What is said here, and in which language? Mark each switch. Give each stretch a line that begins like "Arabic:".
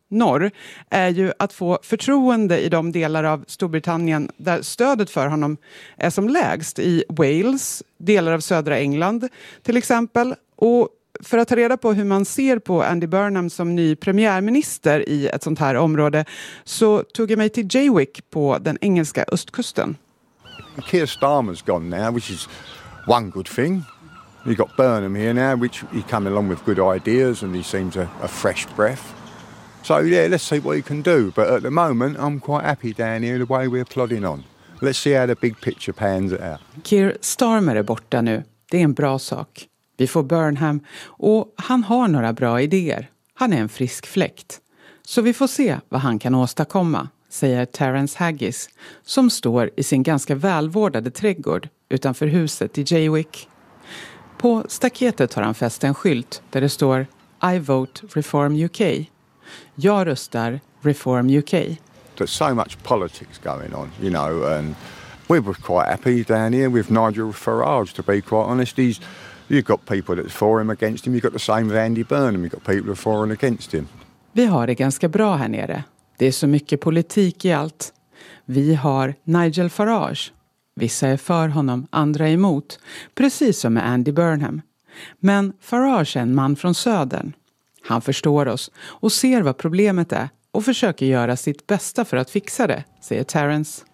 Swedish: norr är ju att få förtroende i de delar av Storbritannien där stödet för honom är som lägst, i Wales, delar av södra England till exempel. Och för att ta reda på hur man ser på Andy Burnham som ny premiärminister i ett sånt här område, så tog jag mig till Jaywick på den engelska östkusten.
English: Keir Starmer's gone now, which is one good thing. You got Burnham here now, which he came along with good ideas and he seems a fresh breath. So yeah, let's see what he can do. But at the moment, I'm quite happy down here the way we're plodding on. Let's see how the big picture pans out.
Swedish: Keir Starmer är borta nu. Det är en bra sak. Vi får Burnham och han har några bra idéer. Han är en frisk fläkt. Så vi får se vad han kan åstadkomma, säger Terence Haggis, som står i sin ganska välvårdade trädgård utanför huset i Jaywick. På staketet har han fäst en skylt där det står
English: I vote Reform UK.
Swedish: Jag röstar Reform UK.
English: There's so much politics going on, you know, and we were quite happy down here with Nigel Farage, to be quite honest. He's, you've got people that's for him, against him. You've got the same with Andy Burnham. You've got people that's for and against him.
Swedish: Vi har det ganska bra här nere. Det är så mycket politik i allt. Vi har Nigel Farage. Vissa är för honom, andra emot. Precis som med Andy Burnham. Men Farage är en man från södern. Han förstår oss och ser vad problemet är och försöker göra sitt bästa för att fixa det, säger Terence.